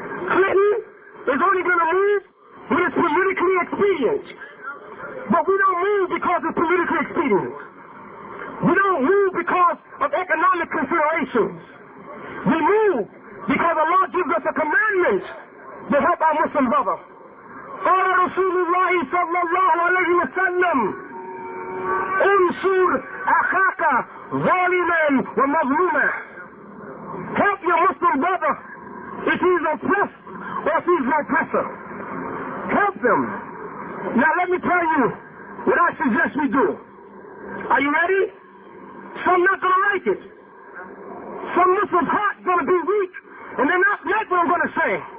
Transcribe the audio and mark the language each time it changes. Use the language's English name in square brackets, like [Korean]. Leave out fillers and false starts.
[English] Clinton is only going to move when it's politically expedient. But we don't move because it's politically expedient. We don't move because of economic considerations. We move because Allah gives us a commandment to help our Muslim brother. [Arabic] قال رسول الله صلى الله عليه وسلم انصر أخاك ظالما ومظلوما. [English] Help your Muslim brother if he's oppressed or if he's an oppressor. Help them. Now let me tell you what I suggest we do. Are you ready? Some not gonna like it. Some Muslims' heart gonna be weak and they're not like what I'm gonna say.